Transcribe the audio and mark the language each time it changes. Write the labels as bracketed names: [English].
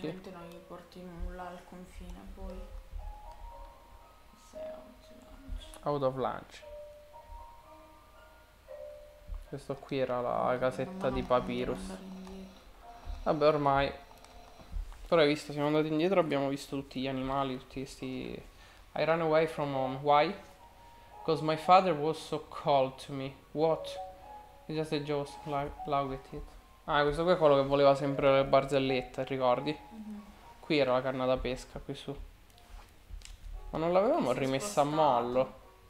[Italian] semplicemente non gli porti nulla al confine, poi se [English] Out of lunch. [Italian] Questo qui era la casetta di Ormai non dobbiamo Papyrus. andare indietro. Vabbè, ormai. Però hai visto, siamo andati indietro, abbiamo visto tutti gli animali, tutti questi. [English] I ran away from home. Why? Because my father was so cold to me. What? He just a joke. Look at it. [Italian] Ah, questo qui è quello che voleva sempre le barzellette, ricordi? Qui era la canna da pesca, qui su. Ma non E l'avevamo si è rimessa a mollo? spostato.